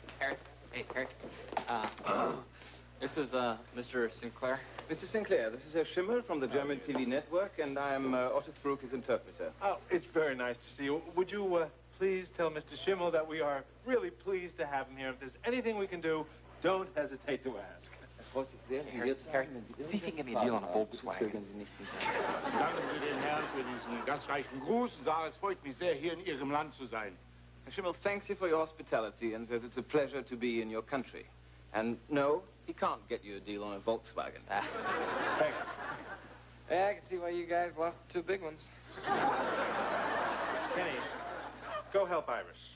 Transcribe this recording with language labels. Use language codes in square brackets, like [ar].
[en] Harry. Hey, Harry. This is Mr. Sinclair. Mr. Sinclair, this is Herr Schimmel from the German TV network, and I am Otto Frug, his interpreter. Oh, it's very nice to see you. Would you please tell Mr. Schimmel that we are really pleased to have him here? If there's anything we can do, don't hesitate to ask. What is there? Harry, see if he can give me a deal on a Volkswagen. [de] Danke für den Herrn für diesen gastreichen Gruß. Sarah, es freut mich sehr, hier in Ihrem Land zu sein. [en] Herr Schimmel thanks you for your hospitality and says it's a pleasure to be in your country. And no, he can't get you a deal on a Volkswagen. Thanks. Yeah, I can see why you guys lost the two big ones. Kenny, go help Iris.